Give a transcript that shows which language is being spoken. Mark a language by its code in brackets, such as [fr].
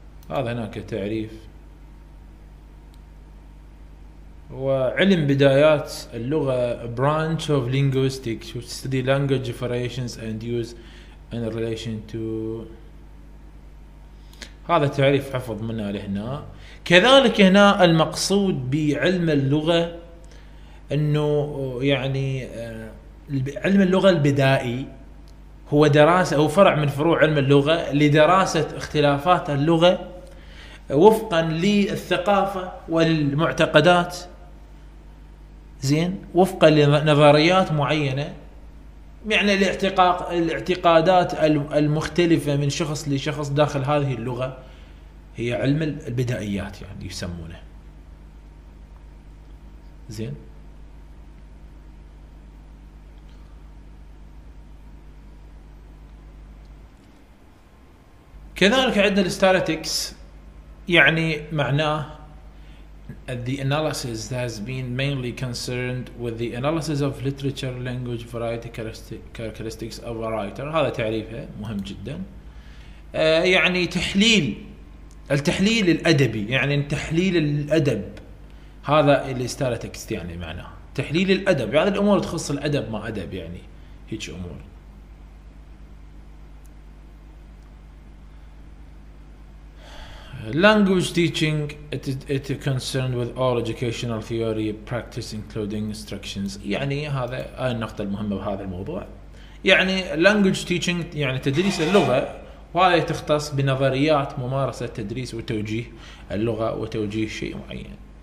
[ar] هذا هناك تعريف، وعلم بدايات اللغة [en] branch of linguistics which study language variations and use in relation to. [ar] هذا تعريف حفظ منه لهنا. كذلك هنا المقصود بعلم اللغة أنه يعني علم اللغة البدائي هو دراسة أو فرع من فروع علم اللغة لدراسة اختلافات اللغة وفقا للثقافة والمعتقدات. زين، وفقا لنظريات معينة، يعني الاعتقادات المختلفة من شخص لشخص داخل هذه اللغة، هي علم البدائيات يعني يسمونه. زين، كذلك عندنا الستاتيكس، يعني معناه [en] the analysis that has been mainly concerned with the analysis of literature, language, variety, characteristics of a writer. [ar] هذا تعريفه مهم جدا. يعني التحليل الأدبي، يعني تحليل الأدب، هذا اللي استاتيكس يعني معناه تحليل الأدب. يعني الأمور تخص الأدب، ما أدب يعني هيك أمور. [en] Language teaching it concerned with all educational theory practice including instructions. [ar] يعني هذا النقطة المهمة بهذا الموضوع، يعني [en] language teaching [ar] يعني تدريس اللغة، وهذا يختص بنظريات ممارسة التدريس وتوجيه اللغة وتوجيه شيء معين.